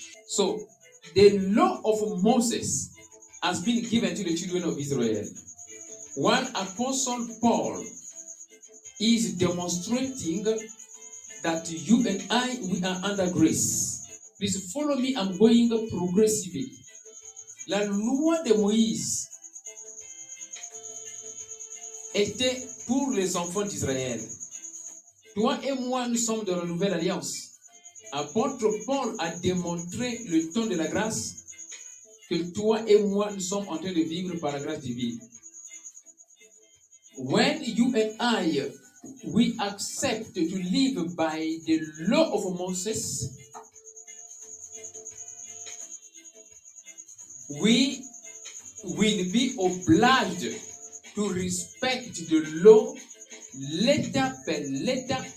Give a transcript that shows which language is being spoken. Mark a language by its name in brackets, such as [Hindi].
[English] So, the law of Moses has been given to the children of Israel. While Apostle Paul is demonstrating that you and I, we are under grace. Please follow me, I'm going progressively. [French] La loi de Moïse était pour les enfants d'Israël. Toi et moi, nous sommes dans la nouvelle alliance. Apôtre Paul a démontré le ton de la grâce que toi et moi, nous sommes en train de vivre par la grâce divine. [English] When you and I, we accept to live by the law of Moses, we will be obliged to respect the law letter per letter.